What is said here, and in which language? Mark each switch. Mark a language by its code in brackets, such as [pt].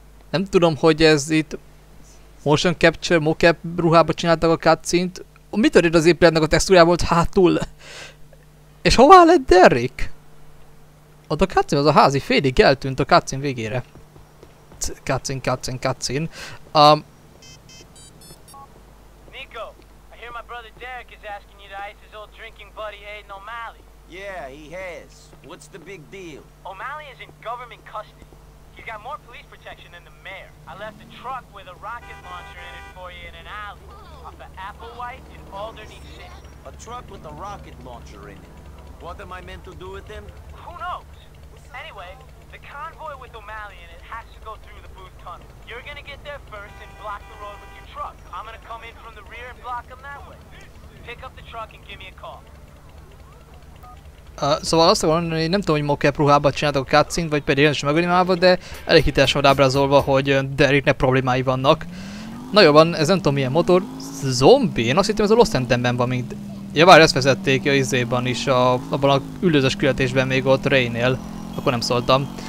[hu] Nem tudom, hogy ez itt motion capture, mocap ruhába csináltak a cutscene-t. Mi történt az épületnek a textúrjában volt hátul? És hová lett Derrick? Ott a cutscene, az a házi félig eltűnt a cutscene végére. Cutscene, cutscene, cutscene. [en] Nico, I hear my brother Derrick is asking you to ice his old drinking buddy Aiden O'Malley. Yeah, he has. What's the big deal? O'Malley is in government custody. He's got more police protection than the mayor. I left a truck with a rocket launcher in it for you in an alley. Off of Applewhite and Alderney City. A truck with a rocket launcher in it. What am I meant to do with him? Who knows? Anyway, the convoy with O'Malley in it has to go through the Booth Tunnel. You're gonna get there first and block the road with your truck. I'm gonna come in from the rear and block them that way. Pick up the truck and give me a call. [hu] Szóval azt akarom mondani, hogy nem tudom, hogy mocap ruhában csináltak a cutscene-t, vagy pedig jelentős megölimában, de elég hitelesen van ábrázolva, hogy Derricknek problémái vannak. Na jó, van, ez nem tudom milyen motor. Zombi? Én azt hittem, ez a Lost Endemben van, mint... Ja, várj, ezt vezették a izében is, abban a üldözös küldetésben még ott Raynél. Akkor nem szóltam.